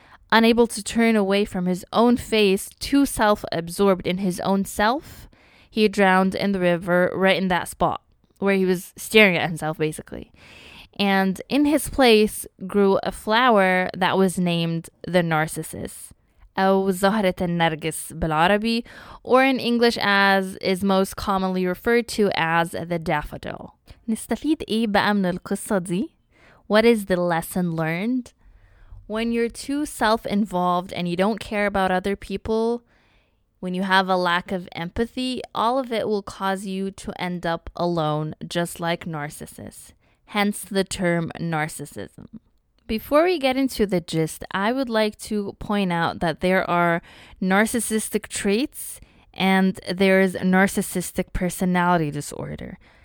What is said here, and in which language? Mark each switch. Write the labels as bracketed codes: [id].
[en] Unable to turn away from his own face, too self-absorbed in his own self, he drowned in the river right in that spot where he was staring at himself, basically. And in his place grew a flower that was named the Narcissus, [ar] أو زهرة النرجس بالعربي, [en] or in English as is most commonly referred to as the daffodil. [ar] نستفيد إيه بقى من القصة دي? [en] What is the lesson learned? When you're too self-involved and you don't care about other people, when you have a lack of empathy, all of it will cause you to end up alone, just like narcissists. Hence the term narcissism. Before we get into the gist, I would like to point out that there are narcissistic traits and there is narcissistic personality disorder.